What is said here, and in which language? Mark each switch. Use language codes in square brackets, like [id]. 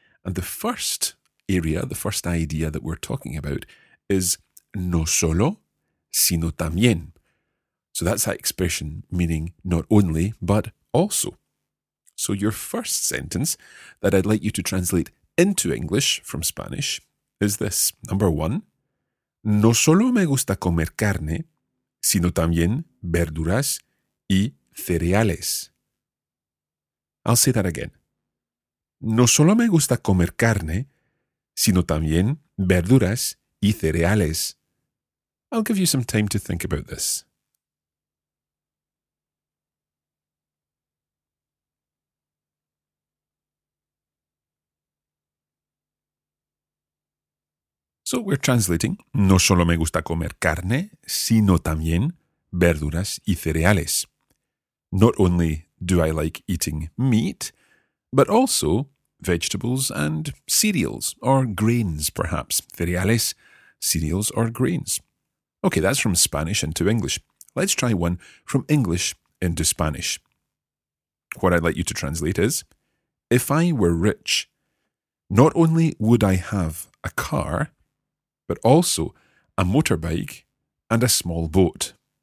[en] And the first area, the first idea that we're talking about is [es] no solo, sino también. [en] So that's that expression meaning not only, but also. So your first sentence that I'd like you to translate into English from Spanish is this. Number one, [es] no solo me gusta comer carne, sino también verduras y cereales. [en] I'll say that again. [es] No solo me gusta comer carne, sino también verduras y cereales. [en] I'll give you some time to think about this. So we're translating. [es] No solo me gusta comer carne, sino también verduras y cereales. [en] Not only do I like eating meat, but also vegetables and cereals, or grains, perhaps. Cereales, cereals or grains. Okay, that's from Spanish into English. Let's try one from English into Spanish. What I'd like you to translate is, if I were rich, not only would I have a car, but also a motorbike and a small boat.